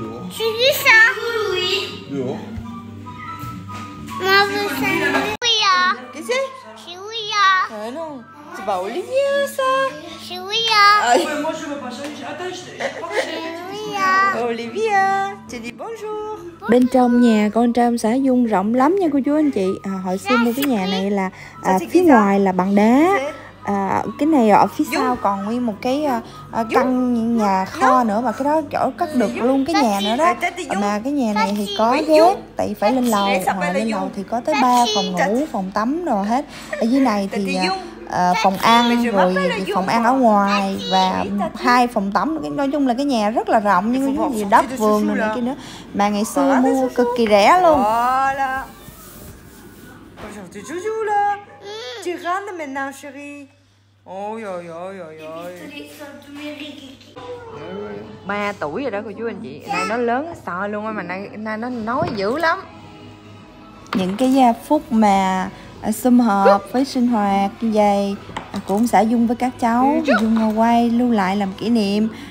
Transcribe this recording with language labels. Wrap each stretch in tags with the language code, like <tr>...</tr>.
<fr>Tu dis ça? Oui! Moi, je veux ça! Qu'est-ce que c'est? C'est Ouya! Ah non! C'est pas Olivier ça? C'est Ouya! Ouais, moi, je veux pas changer! Attends, je crois que c'est Ouya! Olivia! Tu dis bonjour!</fr> <vi>Bên trong nhà con trai ông xã Dung rộng lắm nha cô chú anh chị. Hồi xưa mua cái nhà này là phía ngoài là bằng đá. Cái này ở phía sau còn nguyên một cái căn nhà kho nữa. Mà cái đó chỗ cất được luôn cái nhà nữa đó. Mà cái nhà này thì có ghép, tại phải lên lầu. Ngoài lên lầu thì có tới 3 phòng ngủ, phòng tắm rồi hết. Ở dưới này thì phòng ăn, rồi phòng ăn ở ngoài và hai phòng tắm. Nói chung là cái nhà rất là rộng, nhưng có gì đất vườn rồi này kia nữa. Mà ngày xưa mua cực kỳ rẻ luôn.</vi> <fr>Voilà. Bonjour, tu joues joues là. Tu rentres maintenant, chérie. Ôi ôi ôi ôi ôi.</fr> <vi>Ba tuổi rồi đó cô chú anh chị. Nay nó lớn sợ luôn á, mà nay nó nói dữ lắm. Những cái giây phút mà sum họp với sinh hoạt như vậy cũng xả Dung với các cháu, Dung quay lưu lại làm kỷ niệm.</vi>